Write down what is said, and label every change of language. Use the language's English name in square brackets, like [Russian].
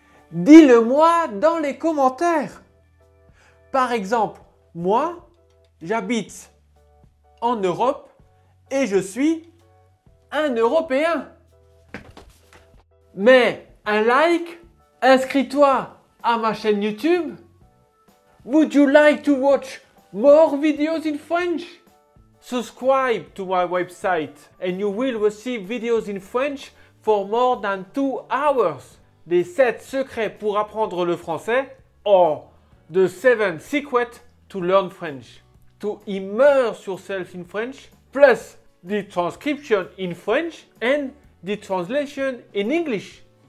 [French] Dis-le-moi dans les commentaires. Par exemple, moi, j'habite en Europe et je suis un Européen. Mets un like, inscris-toi à ma chaîne YouTube. [English] Would you like to watch more videos in French? Subscribe to my website and you will receive videos in French for more than 2 hours. [French] Les 7 secrets pour apprendre le français [English] or the 7 secrets to learn French. To immerse yourself in French plus the transcription in French and the translation in English.